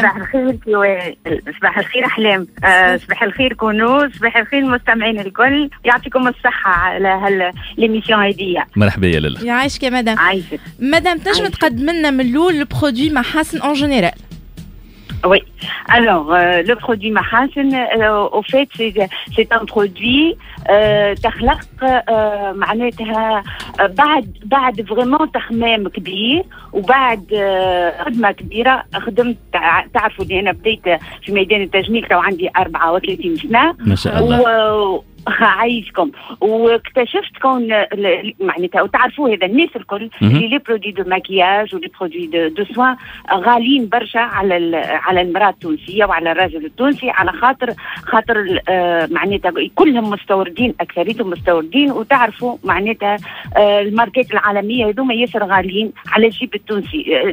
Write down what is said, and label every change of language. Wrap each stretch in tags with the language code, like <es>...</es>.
<ar>صباح الخير. صباح الخير أحلام. صباح الخير كونوس. صباح الخير مستمعين الكل. يعطيكم الصحة على هالليميسيون هادية. مرحبا يا للا. يعيشك يا مدام. عايشك مدام. تنجم تقدم لنا من الأول البرودوي محاسن أون جينيرال؟</ar> <fr>Oui. Alors, le produit Mahasen, au fait, c'est un produit</fr> <ar>تخلق معناتها بعد</ar> <fr>vraiment</fr> <ar>تخمام كبير وبعد خدمة كبيرة. خدمت تعرفوا دي أنا بديت في ميدان التجميل كان عندي 34 سنة. ما شاء الله. عايزكم واكتشفت كون معناتها وتعرفوا هذا الناس الكل اللي لي برودوي دو ماكياج ولي برودوي دو سوان غاليين برشا على المراه التونسيه وعلى الراجل التونسي على خاطر معناتها كلهم مستوردين اكثريتهم مستوردين وتعرفوا معناتها الماركات العالميه هذوما ياسر غاليين على الجيب التونسي.</ar>